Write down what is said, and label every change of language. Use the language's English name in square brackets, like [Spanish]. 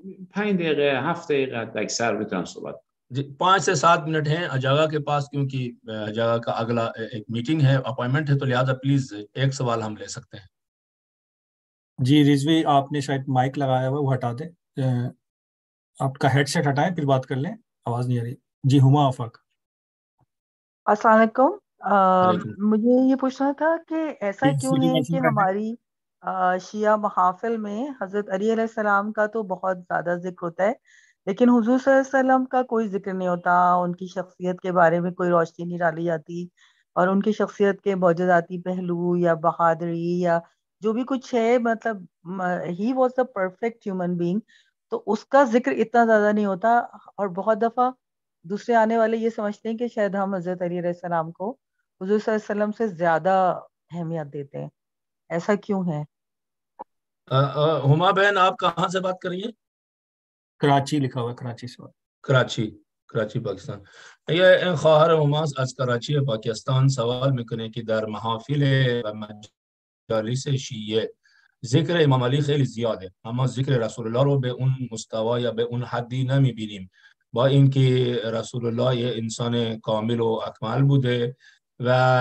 [Persian] پنج دقیقه هفت دقیقه اکثر میتونم صحبت [Urdu] پانچ سے سات منٹ ہیں اجاگا کے پاس کیونکہ اجاگا کا اگلا ایک میٹنگ ہے اپائنمنٹ ہے تو لہٰذا پلیز ایک سوال ہم لے سکتے ہیں جی رضوی آپ نے شاید مائک لگایا ہوا وہ ہٹا دیں آپ کا ہیڈ سیٹ ہٹائیں پھر بات کر لیں آواز نہیں آ رہی جی ہما آفاق السلام علیکم مجھے یہ پوچھنا تھا کہ ایسا کیوں نہیں کہ ہماری شیعہ محافل میں حضرت علی علیہ السلام کا تو بہت زیادہ ذکر ہوتا ہے لیکن حضور صلی اللہ علیہ وسلم کا کوئی ذکر نہیں ہوتا ان کی شخصیت کے بارے میں کوئی روشنی نہیں ڈالی جاتی اور ان کی شخصیت کے معجزاتی پہلو یا بہادری یا جو بھی کچھ ہے مطلب [English] he was a perfect human being [Urdu] تو اس کا ذکر اتنا زیادہ نہیں ہوتا اور بہت دفعہ دوسرے آنے والے یہ سمجھتے ہیں کہ شاید ہم حضرت علی علیہ السلام کو حضور صلی اللہ علیہ وسلم سے زیادہ اہمیت دیتے ہیں ایسا کیوں ہے ہما بہن آپ کہاں سے بات کر رہی ہیں کراچی لکھا ہوا کراچی سے [Persian] کراچی پاکستان [Urdu] یہ خواہر ہما آج کراچی پاکستان سوال میں کریں کہ [Persian] در محافل مجالس شیعہ ذکر امام علی خیلی زیاد ہے اما ذکر رسول اللہ رو به اون مستوا یا به اون حدی نمی بینیم با اینکه رسول الله یه انسان کامل و اکمل بوده و